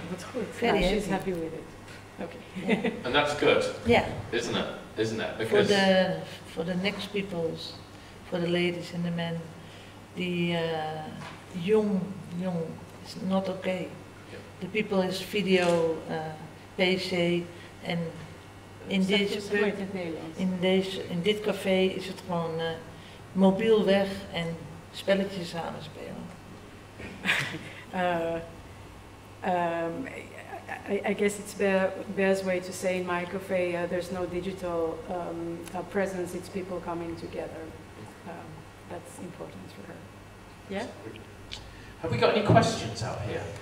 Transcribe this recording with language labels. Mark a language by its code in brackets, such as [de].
[en] That's good. She's happy with it. Okay. Yeah. And that's good. Yeah. Isn't it? Because for the next peoples, for the ladies and the men, the young is not okay. Yeah. The people is video, PC, and. [nl] In dit café is het gewoon mobiel weg en spelletjes samen spelen. [en] I guess it's Bea's way to say in my café there's no digital presence, it's people coming together. That's important for her. Yeah? Have we got any questions out here?